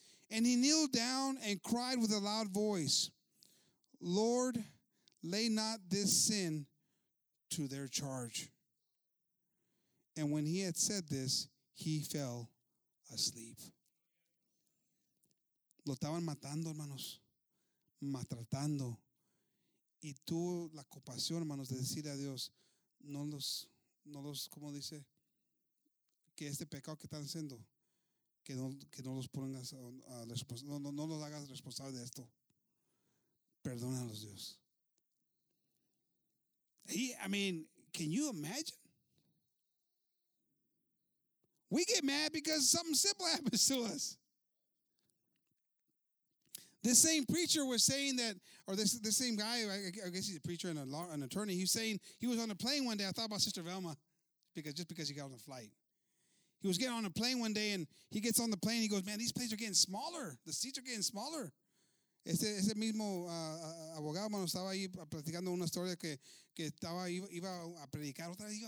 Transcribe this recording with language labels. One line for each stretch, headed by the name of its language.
English: And he kneeled down and cried with a loud voice, Lord, lay not this sin to their charge. And when he had said this, he fell asleep.
Spanish: Lo estaban matando, hermanos, maltratando, y tuvo la compasión, hermanos, de decirle a Dios, no los, como dice, que este pecado que están haciendo, que no los pongas a no los hagas responsables de esto. Perdónalos, Dios.
English: Can you imagine? We get mad because something simple happens to us. This same preacher was saying that, or this same guy, I guess he's a preacher and an attorney, he was saying he was on a plane one day. I thought about Sister Velma because he got on a flight. He was getting on a plane one day, and he gets on the plane. He goes, man, these planes are getting smaller. The seats are getting smaller.
Spanish: Ese mismo abogado, mano, estaba ahí platicando una historia que estaba iba a predicar otra vez.